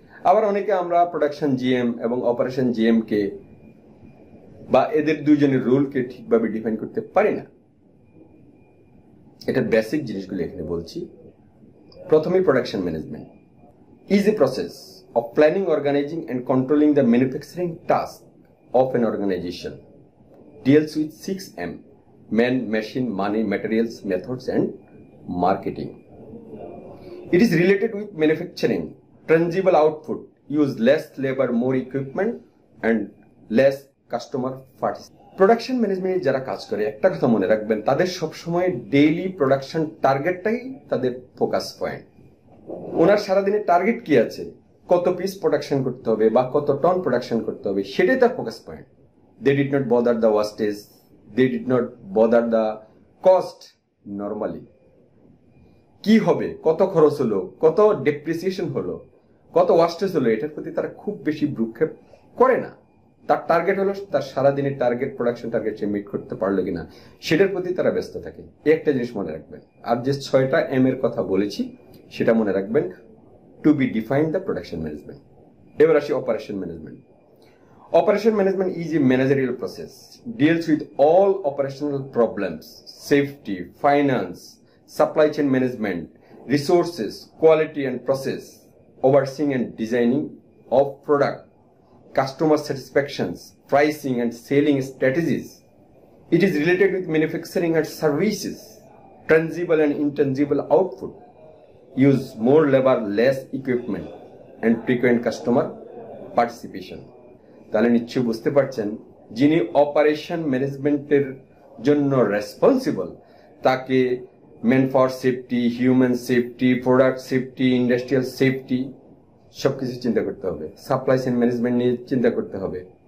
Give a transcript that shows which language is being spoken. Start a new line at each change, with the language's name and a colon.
Bangla: আবার অনেকে আমরা প্রোডাকশন জিএম এবং অপারেশন জিএমকে বা এদের দুজনের রোলকে ঠিকভাবে ডিফাইন করতে পারি না। এটা বেসিক জিনিসগুলো এখানে বলছি। প্রথমেই
English: Production management is a process of planning, organizing and controlling the manufacturing task of an organization. Deals with 6M, man, machine, money, materials, methods and marketing. It is related with manufacturing, tangible output, use less labor, more equipment and less customer participation.
Bangla: Production management এ যারা কাজ করে একটা কথা মনে রাখবেন, তাদের সবসময় daily production টার্গেটটাই তাদের ফোকাস পয়েন্ট। ওনার সারাদিনের টার্গেট কি আছে, কত পিস প্রোডাকশন করতে হবে বা কত টন প্রোডাকশন করতে হবে, সেটাই তার focus point.
English: They did not bother the wastage, they did not bother the cost normally.
Bangla: কি হবে, কত খরচ হলো, কত ডেপ্রিসিয়েশন হলো, কত ওয়াস্টেজ হলো, এটার প্রতি তারা খুব বেশি ভ্রুক্ষেপ করে না। তার টার্গেট হলো তার সারাদিনের টার্গেট, প্রোডাকশন টার্গেট সে মিট করতে পারলো কিনা, সেটার প্রতি তারা ব্যস্ত থাকে। একটা জিনিস মনে রাখবেন, আর যে 6M এর কথা বলেছি সেটা মনে রাখবেন,
English: To be define the production management.
Bangla: এবার আসি operation management.
English: Operation management is a managerial process, deals with all operational problems, safety, finance, supply chain management, resources, quality and process, overseeing and designing of product, customer satisfactions, pricing and selling strategies. It is related with manufacturing and services, tangible and intangible output, use more labor, less equipment and frequent customer participation.
Bangla: তাহলে নিশ্চয়ই বুঝতে পারছেন যিনি operation ম্যানেজমেন্টের জন্য responsible তাকে man power safety, human safety, product safety, industrial safety সব কিছু চিন্তা করতে হবে, সাপ্লাই চেইন ম্যানেজমেন্ট নিয়ে চিন্তা করতে হবে,